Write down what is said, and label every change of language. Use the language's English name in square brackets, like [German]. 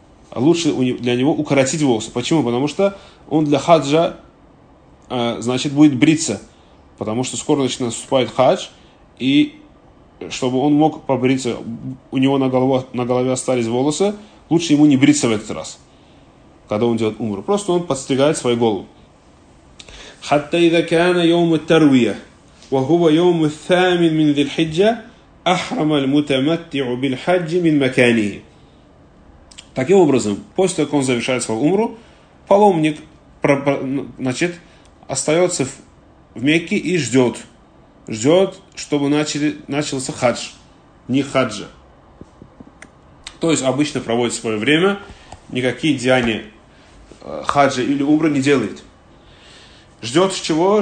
[Russian] А лучше для него укоротить волосы. Почему? Потому что он для хаджа, значит, будет бриться. Потому что скоро начинает наступать хадж. И чтобы он мог побриться, у него на голове остались волосы, лучше ему не бриться в этот раз, когда он делает умру. Просто он подстригает свою голову. [Arabic] حتى إذا كان يوم التروية وهو يوم الثامن من ذي الحجة أحرم المتمتع بالحج من مكانه. [Russian] Таким образом, после того, как он завершает свою умру, паломник значит, остается в Мекке и ждет. Ждет, чтобы начался хадж, не хаджа. То есть обычно проводит свое время, никакие деяния хаджа или умра не делает. Ждет чего?